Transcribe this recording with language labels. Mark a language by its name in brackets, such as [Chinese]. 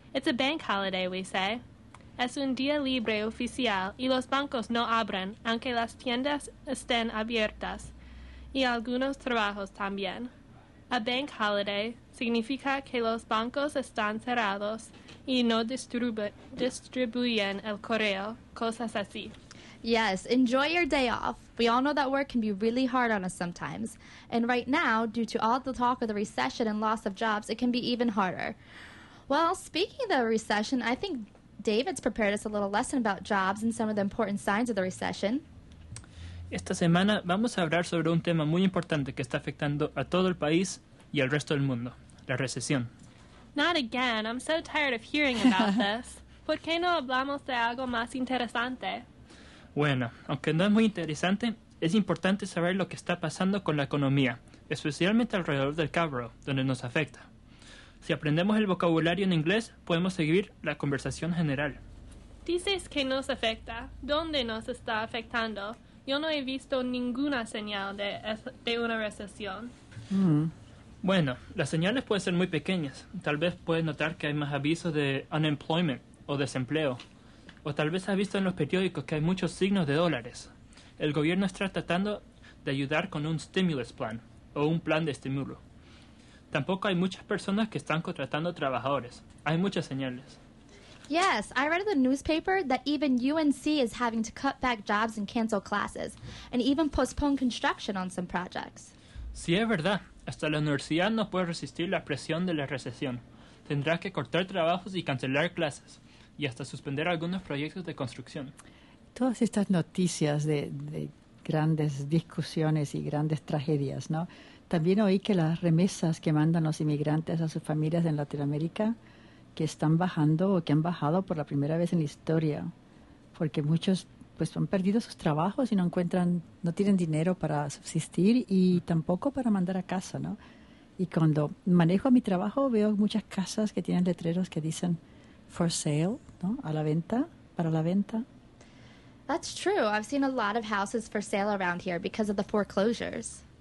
[English] It's a bank holiday, we say. [Spanish] Es un día libre oficial y los bancos no abren, aunque las tiendas estén abiertas. Y algunos trabajos también. A bank holiday significa que los bancos están cerrados y no distribuyen el correo, cosas así. [English] Yes, enjoy your day off. We all know that work can be really hard on us sometimes. And right now, due to all the talk of the recession and loss of jobs, it can be even harder. Well, speaking of the recession, I think David's prepared us a little lesson about jobs and some of the important signs of the recession. [Spanish] Esta semana vamos a hablar sobre un tema muy importante que está afectando a todo el país y al resto del mundo, la recesión. [English] Not again. I'm so tired of hearing about this. [Spanish] ¿Por qué no hablamos de algo más interesante? Bueno, aunque no es muy interesante, es importante saber lo que está pasando con la economía, especialmente alrededor del Carboro, donde nos afecta. Si aprendemos el vocabulario en inglés, podemos seguir la conversación general. Dices que nos afecta. ¿Dónde nos está afectando? Yo no he visto ninguna señal de una recesión. Bueno, las señales pueden ser muy pequeñas. Tal vez puedes notar que hay más avisos de unemployment o desempleo. O tal vez has visto en los periódicos que hay muchos signos de dólares. El gobierno está tratando de ayudar con un stimulus plan, o un plan de estímulo. Tampoco hay muchas personas que están contratando trabajadores. Hay muchas señales. [English] Yes, I read in the newspaper that even UNC is having to cut back jobs and cancel classes, and even postpone construction on some projects. [Spanish] Sí, es verdad. Hasta la universidad no puede resistir la presión de la recesión. Tendrá que cortar trabajos y cancelar clases, y hasta suspender algunos proyectos de construcción. Todas estas noticias de grandes discusiones y grandes tragedias, ¿no? También oí que las remesas que mandan los inmigrantes a sus familias en Latinoamérica que están bajando o que han bajado por la primera vez en la historia, porque muchos pues han perdido sus trabajos y no tienen dinero para subsistir y tampoco para mandar a casa, ¿no? Y cuando manejo mi trabajo veo muchas casas que tienen letreros que dicen for sale, ¿no? A la venta, para la venta. [English] That's true. I've seen a lot of houses for sale around here because of the foreclosures.